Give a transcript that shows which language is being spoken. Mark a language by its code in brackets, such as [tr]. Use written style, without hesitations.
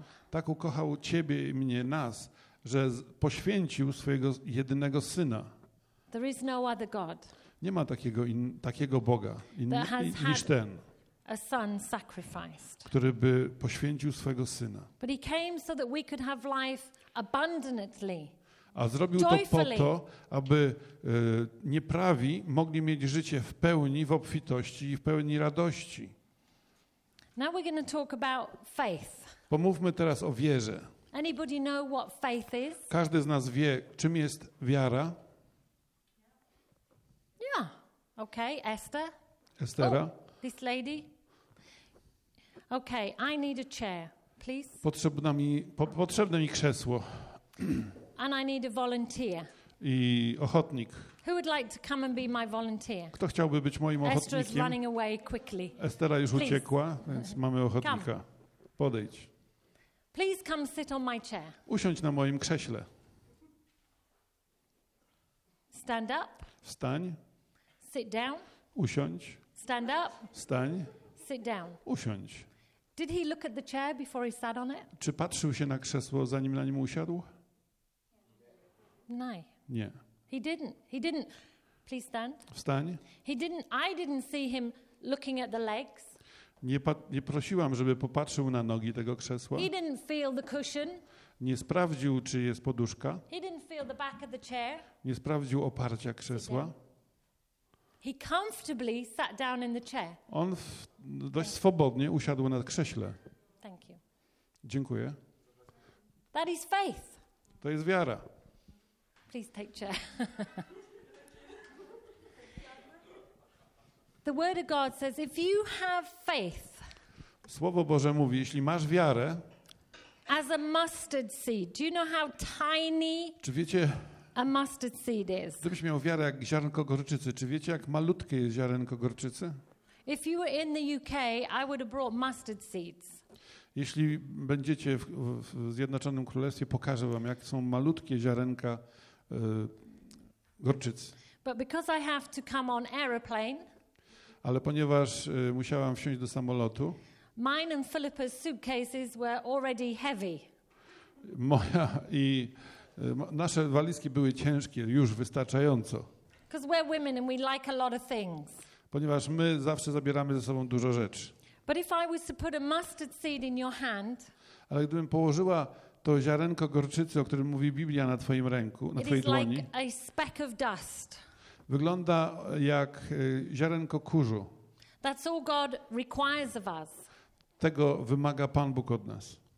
[pl] Tak ukochał ciebie i mnie, nas, że poświęcił swojego jedynego Syna. [en] There is no other God. [pl] Nie ma takiego Boga niż ten, [en] a son sacrificed, [pl] który by poświęcił swego Syna. [en] But he came so that we could have life abundantly. [pl] A zrobił to po to, aby nieprawi mogli mieć życie w pełni, w obfitości i w pełni radości. [en] Now we're going to talk about faith. [pl] Pomówmy teraz o wierze. [en] Anybody know what faith is? [pl] Każdy z nas wie, czym jest wiara. [en] Okay, Esther. [pl] Estera. [en] Oh, this lady. Okay, I need a chair, please. [pl] Potrzebne mi krzesło. [en] And I need a volunteer. [pl] I ochotnik. [en] Who would like to come and be my volunteer? [pl] Kto chciałby być moim ochotnikiem? [en] Estera is running away quickly. [pl] Estera już please. Uciekła, więc mamy ochotnika. [en] Come. [pl] Podejdź. [en] Please come sit on my chair. [pl] Usiądź na moim krześle. [en] Stand up. [pl] Wstań. [en] Sit down. [pl] Usiądź. [en] Stand up. [pl] Stań. [en] Sit down. [pl] Usiądź. [en] Did he look at the chair before he sat on it? [pl] Czy patrzył się na krzesło, zanim na nim usiadł? [en] No. [pl] Nie. [en] He didn't. Please stand. [pl] Wstań. [en] I didn't see him looking at the legs. [pl] Nie prosiłam, żeby popatrzył na nogi tego krzesła. [en] He didn't feel the cushion. [pl] Nie sprawdził, czy jest poduszka. [en] He didn't feel the back of the chair. [pl] Nie sprawdził oparcia krzesła. [en] He comfortably sat down in the chair. [pl] On dość swobodnie usiadł na krześle. [en] Thank you. [pl] Dziękuję. [en] That is faith. [pl] To jest wiara. [en] Please take chair. The word of God says if you have faith. [pl] Słowo Boże mówi, jeśli masz wiarę. [en] As a mustard seed. Do you know how tiny? [pl] Czy wiecie? [en] A mustard seed is. [pl] Gdybyś miał wiarę jak ziarnko gorczycy, czy wiecie, jak malutkie jest ziarenko gorczycy? [en] If you were in the UK, I would have brought mustard seeds. [pl] Jeśli będziecie w Zjednoczonym Królestwie, pokażę wam, jak są malutkie ziarenka gorczycy. [en] But because I have to come on aeroplane, [pl] ale ponieważ musiałam wsiąść do samolotu, [en] mine and Philippa's suitcases were already heavy. [pl] Moja i nasze walizki były ciężkie, już wystarczająco. [en] We're women and we like a lot of things. [pl] Ponieważ my zawsze zabieramy ze sobą dużo rzeczy. [en] But if I was to put a mustard seed in your hand, [pl] ale gdybym położyła to ziarenko gorczycy, o którym mówi Biblia na twoim ręku, na twojej dłoni, [en] like a speck of dust. [pl] Wygląda jak ziarenko kurzu. [en] That's all God requires of us. [pl] Tego wymaga Pan Bóg od nas.